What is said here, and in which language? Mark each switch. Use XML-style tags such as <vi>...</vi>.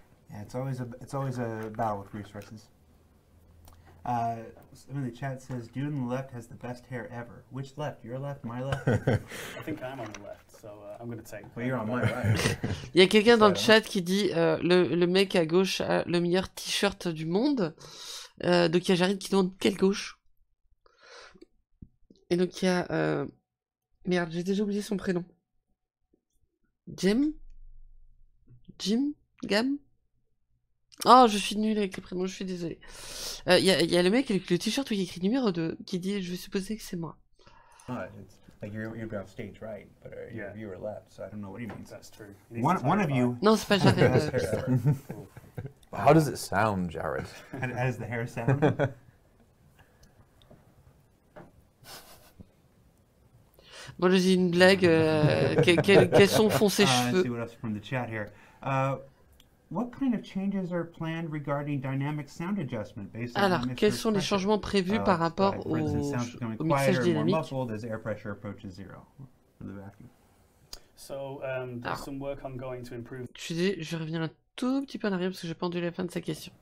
<en>Yeah, it's always a battle with resources. I mean, the chat says dude on the left has the best hair ever. Which left? Your left? My left? I think I'm on the left, so I'm gonna take. Well, you're on my right.</en> <fr>Il y a quelqu'un dans le chat qui dit le mec à gauche a le meilleur t-shirt du monde. Donc il y a Jared qui demande quelle gauche. Et donc il y a merde, j'ai déjà oublié son prénom. Jim, Gam. Oh, je suis nulle avec les prénoms, je suis désolée. Il y a le mec avec le t-shirt où il écrit numéro 2 qui dit, je vais supposer que c'est moi. Ouais,</fr> <en>Like you'd be on stage right, but your viewer left. So I don't know what he means. That's true. One of you. No special thing. How does it sound, Jared? How does the hair sound?</en> <fr>Bon, j'ai une blague. Quels sont fonds ses cheveux?</fr> <en>Let's see what else from the chat here. What kind of changes are planned regarding dynamic sound adjustment based on</en> <fr>Alors, quels sont les changements prévus par rapport au mixage dynamique?</fr> <en>Muffled as air pressure approaches zero for the vacuum. So, there's some work I'm going to improve.</en> <fr>Je vais revenir un tout petit peu en arrière parce que j'ai pas entendu la fin de sa question.</fr>